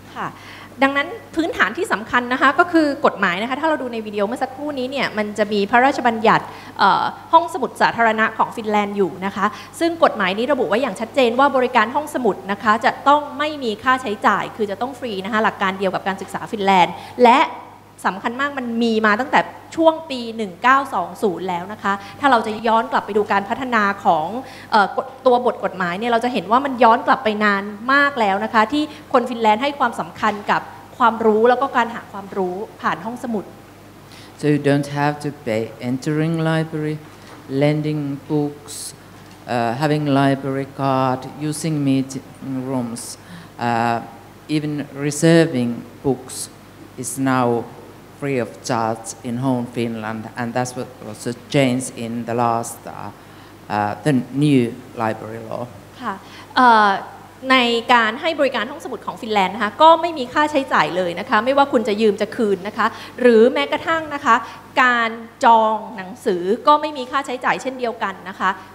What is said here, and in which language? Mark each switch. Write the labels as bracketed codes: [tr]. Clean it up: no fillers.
[th] ค่ะดังนั้นพื้นฐานที่สำคัญนะคะก็คือกฎหมายนะคะถ้าเราดูในวิดีโอเมื่อสักครู่นี้เนี่ยมันจะมีพระราชบัญญัติห้องสมุดสาธารณะของฟินแลนด์อยู่นะคะซึ่งกฎหมายนี้ระบุไว้อย่างชัดเจนว่าบริการห้องสมุดนะคะจะต้องไม่มีค่าใช้จ่ายคือจะต้องฟรีนะคะหลักการเดียวกับการศึกษาฟินแลนด์และสำคัญมากมันมีมาตั้งแต่ช่วงปี1920แล้วนะคะถ้าเราจะย้อนกลับไปดูการพัฒนาของ ตัวบทกฎหมายเนี่ยเราจะเห็นว่ามันย้อนกลับไปนานมากแล้วนะคะที่คนฟินแลนด์ให้ความสำคัญกับความรู้แล้วก็การหาความรู้ผ่านห้องสมุด [en] So you don't have to pay entering library lending books having library card using meeting rooms even reserving books is nowfree of charge in home Finland and that's what was a change in the last the new library law [th] ค่ะในการให้บริการห้องสมุดของฟินแลนด์นะคะก็ไม่มีค่าใช้จ่ายเลยนะคะไม่ว่าคุณจะยืมจะคืนนะคะหรือแม้กระทั่งนะคะการจองหนังสือก็ไม่มีค่าใช้จ่ายเช่นเดียวกันนะคะ